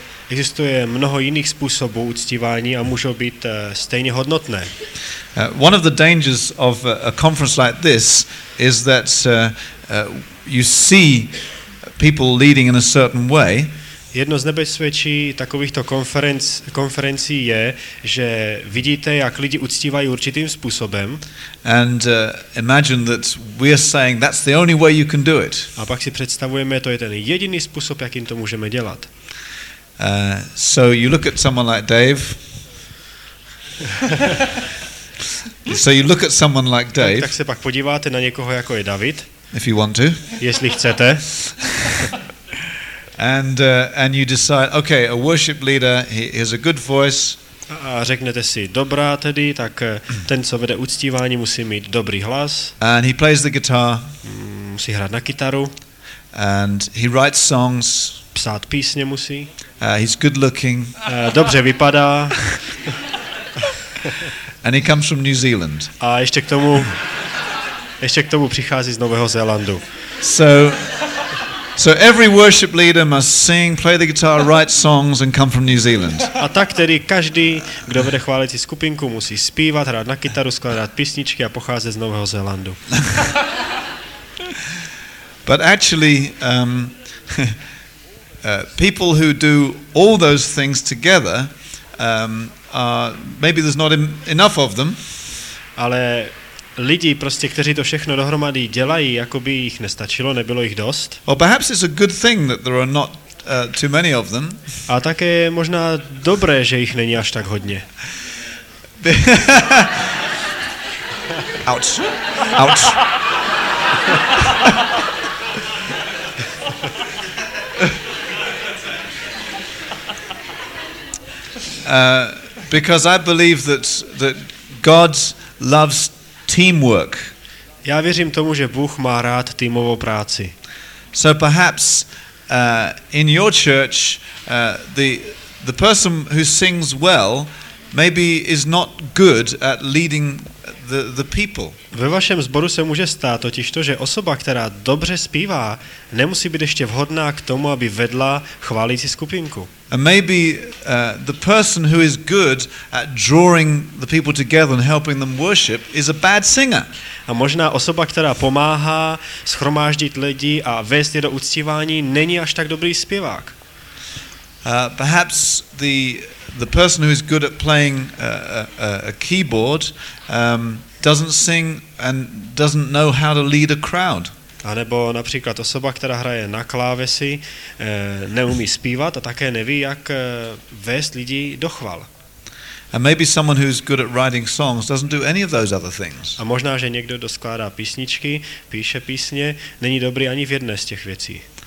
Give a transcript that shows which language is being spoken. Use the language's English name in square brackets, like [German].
[Czech] Existuje mnoho jiných způsobů uctívání a můžou být stejně hodnotné. [English] One of the dangers of a conference like this is that you see people leading in a certain way. [Czech] Jedno z nebezpečí takovýchto konferencí je, že vidíte, jak lidi uctívají určitým způsobem. [English] And imagine that we are saying that's the only way you can do it. [Czech] A pak si představujeme, to je ten jediný způsob, jakým to můžeme dělat. [English] So you look at someone like Dave. So you look at someone like Dave. [Czech] Tak se pak podíváte na někoho jako je David. [English] If you want to. [Czech] Jestli chcete. [English] And you decide, okay, a worship leader, he has a good voice. [Czech] A řeknete si, dobrá tedy, tak ten, co vede uctívání, musí mít dobrý hlas. [English] And he plays the guitar. [Czech] Musí hrát na kytaru. [English] And he writes songs. [Czech] Psát písně musí. [English] He's good looking. [Czech] Dobře vypadá. [English] And he comes from New Zealand. [Czech] A ještě k tomu přichází z Nového Zélandu. [English] So every worship leader must sing, play the guitar, write songs and come from New Zealand. [Czech] A tak tedy každý, kdo vede chválící skupinku, musí zpívat, hrát na kytaru, skládat písničky a pocházet z Nového Zélandu. [English] But actually people who do all those things together are maybe there's not enough of them. [Czech] Ale lidi prostě, kteří to všechno dohromady dělají, jako by jich nestačilo, nebylo jich dost. [English] Well, perhaps it's a good thing that there are not too many of them. [Czech] A také je možná dobré, že jich není až tak hodně. Ouch. Ouch. [English] Because I believe that God loves teamwork. [Czech] Já věřím tomu, že Bůh má rád týmovou práci. [English] So perhaps in your church the person who sings well maybe is not good at leading the people. [Czech] Ve vašem sboru se může stát totiž to, že osoba, která dobře zpívá, nemusí být ještě vhodná k tomu, aby vedla chválící skupinku. [English] And maybe the person who is good at drawing the people together and helping them worship is a bad singer. [Czech] A možná osoba, která pomáhá shromáždit lidi a vést je do uctívání, není až tak dobrý zpěvák. [English] Perhaps the person who is good at playing a keyboard doesn't sing and doesn't know how to lead a crowd. [Czech] A nebo například osoba, která hraje na klávesi, neumí zpívat a také neví, jak vést lidi do chval. [English] And maybe someone who's good at writing songs doesn't do any of those other things. [Czech] A možná že někdo, kdo skládá písničky, píše písně, není dobrý ani v jedné z těch věcí.